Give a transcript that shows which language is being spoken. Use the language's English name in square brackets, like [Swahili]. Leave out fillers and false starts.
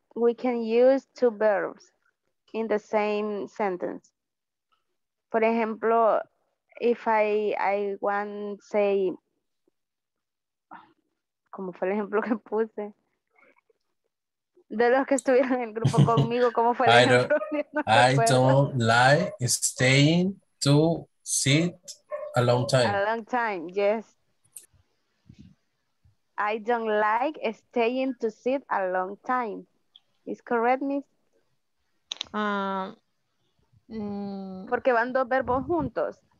[English] We can use two verbs in the same sentence. For example, if I want say, [Spanish] como fue el ejemplo que puse, de los que estuvieron en el grupo conmigo, como fue el ejemplo? [English] I don't like staying to sit a long time. A long time, yes. I don't like staying to sit a long time. Is correct, Miss? [Spanish] Porque van dos verbos juntos.